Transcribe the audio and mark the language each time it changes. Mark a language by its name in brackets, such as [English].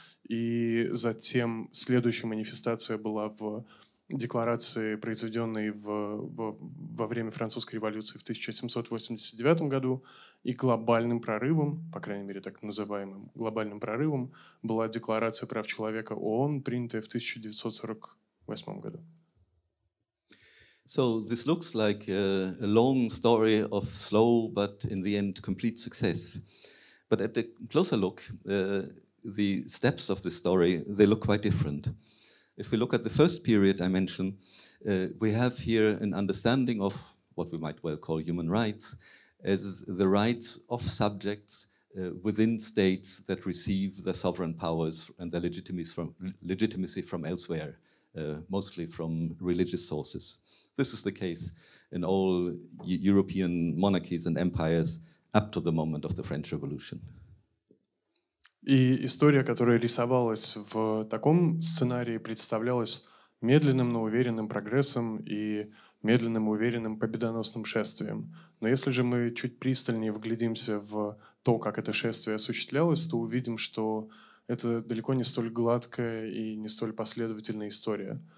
[Russian] И затем следующая манифестация была в декларации, произведенной во время Французской революции в 1789 году. И глобальным прорывом, по крайней мере так называемым глобальным прорывом, была декларация прав человека ООН, принятая в 1948 году. [English] So this looks like a long story of slow, but in the end, complete success. But at a closer look, the steps of the story, they look quite different. If we look at the first period I mentioned, we have here an understanding of what we might well call human rights as the rights of subjects within states that receive their sovereign powers and their legitimacy from elsewhere, mostly from religious sources. This is the case in all European monarchies and empires up to the moment of the French Revolution. [Russian] И история, которая рисовалась в таком сценарии, представлялась медленным, но уверенным прогрессом и медленным, уверенным победоносным шествием. Но если же мы чуть пристальнее вглядимся в то, как это шествие осуществлялось, то увидим, что это далеко не столь гладкая и не столь последовательная история.